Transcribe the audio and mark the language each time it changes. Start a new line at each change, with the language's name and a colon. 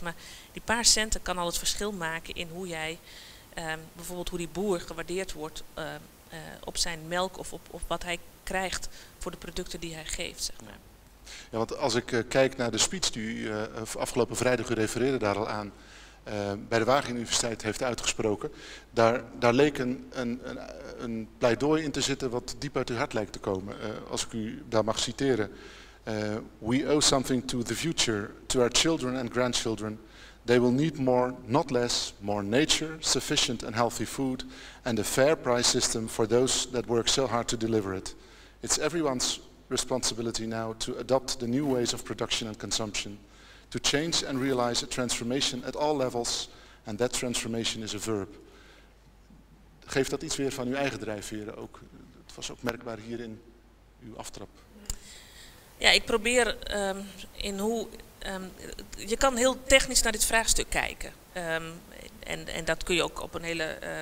Dutch: Maar die paar centen kan al het verschil maken in hoe jij, bijvoorbeeld hoe die boer gewaardeerd wordt op zijn melk of op wat hij krijgt voor de producten die hij geeft, zeg maar. Ja, want als ik kijk naar de speech die u afgelopen vrijdag, u refereerde daar al aan, bij de Wageningen Universiteit heeft uitgesproken, daar leek een pleidooi in te zitten wat diep uit uw hart lijkt te komen. Als ik u daar mag citeren.
English: We owe something to the future, to our children and grandchildren. They will need more, not less, more nature, sufficient and healthy food, and a fair price system for those that work so hard to deliver it. It's everyone's responsibility now to adopt the new ways of production and consumption, to change and realize a transformation at all levels, and that transformation is a verb.
Dutch: Geeft dat iets weer van uw eigen drijfveren ook? Het was ook merkbaar hier in uw aftrap. Ja, ik probeer in hoe... je kan heel technisch naar dit vraagstuk kijken. En dat kun je ook op een hele...